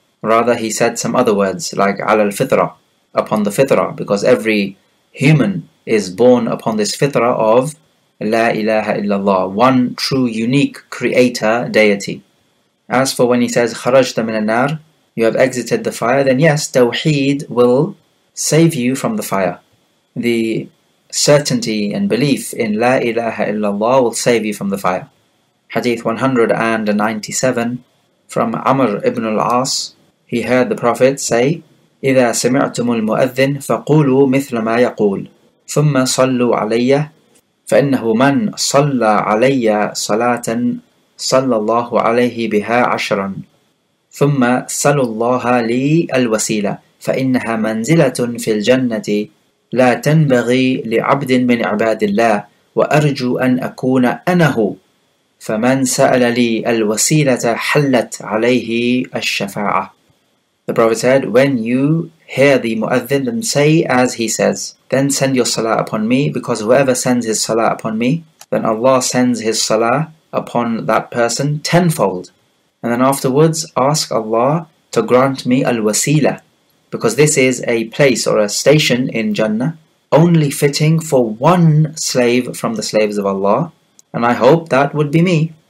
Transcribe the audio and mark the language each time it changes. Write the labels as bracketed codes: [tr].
[en] Rather, he said some other words like ala al-fitrah, upon the fitrah, because every human is born upon this fitrah of la ilaha illallah, one true, unique creator deity. As for when he says [ar] kharajta min al-nar, [en] you have exited the fire, then yes, tawheed will save you from the fire. The certainty and belief in La ilaha illallah will save you from the fire. Hadith 197 from Amr ibn al-As, he heard the Prophet say, [ar] إِذَا سَمِعْتُمُ الْمُؤَذِّنِ فَقُولُوا مِثْلَ مَا يَقُولُ ثُمَّ صَلُّوا عَلَيَّ فَإِنَّهُ مَنْ صَلَّى عَلَيَّ صَلَاةً صَلَّى اللَّهُ عَلَيْهِ بِهَا عَشْرًا ثُمَّ صَلُّوا اللَّهَ لِي الْوَسِيلَةِ فَإِنَّهَا مَنْزِلَةٌ فِي الْجَنَّةِ لا تنبغي لعبد من عباد الله وأرجو أن أكون أنه فمن سأل لي الوسيلة حلت عليه الشفاعة. [en] The Prophet said, when you hear the Mu'adhin, then say as he says. Then send your Salah upon me, because whoever sends his Salah upon me, then Allah sends his Salah upon that person tenfold. And then afterwards, ask Allah to grant me Al-Wasila, because this is a place or a station in Jannah, only fitting for one slave from the slaves of Allah, and I hope that would be me.